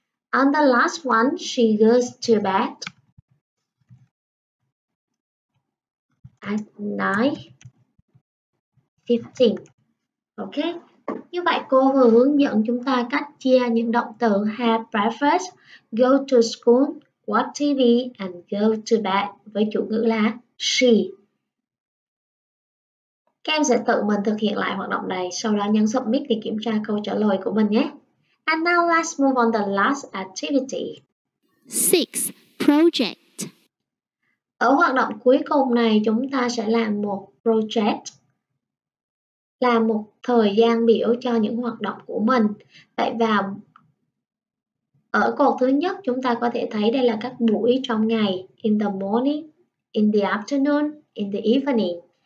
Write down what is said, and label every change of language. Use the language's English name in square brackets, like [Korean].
[English] And the last one, she goes to bed at 9:15. Okay. [Vietnamese] Như vậy cô vừa hướng dẫn chúng ta cách chia những động từ [English] have breakfast, go to school, watch TV and go to bed [Vietnamese] với chủ ngữ là she. Các em sẽ tự mình thực hiện lại hoạt động này, sau đó nhấn submit để kiểm tra câu trả lời của mình nhé. [English] And now let's move on to the last activity. 6. Project. [Vietnamese] Ở hoạt động cuối cùng này chúng ta sẽ làm một project, làm một thời gian biểu cho những hoạt động của mình. Vậy vào ở cột thứ nhất chúng ta có thể thấy đây là các buổi trong ngày, [English] in the morning, in the afternoon, in the evening.